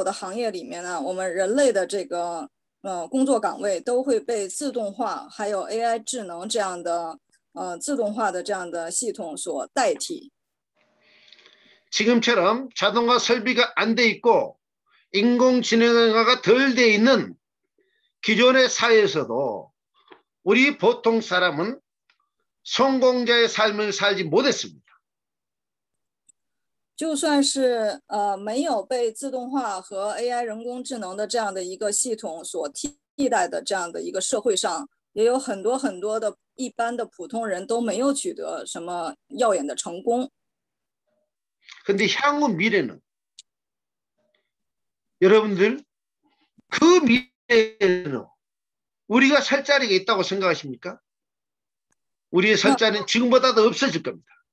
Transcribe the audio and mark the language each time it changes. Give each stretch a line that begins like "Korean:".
Chinese: 现今呢，在所有的行业里面呢，我们人类的这个。工作岗位都会被自动化，还有 AI 智能这样的自动化的这样的系统所代替。
Korean: 지금처럼 자동화 설비가 안돼 있고 인공지능화가 덜돼 있는 기존의 사회에서도 우리 보통 사람은 성공자의 삶을 살지 못했습니다.
Chinese: 就算是没有被自动化和 AI 人工智能的这样的一个系统所替。替代的这样的一个社会上，也有很多很多的一般的普通人都没有取得什么耀眼的成功。
Korean: 근데 향후 미래는 여러분들 그 미래에는 우리가 설 자리가 있다고 생각하십니까? 우리의 설 자리는 지금보다도 없어질 겁니다.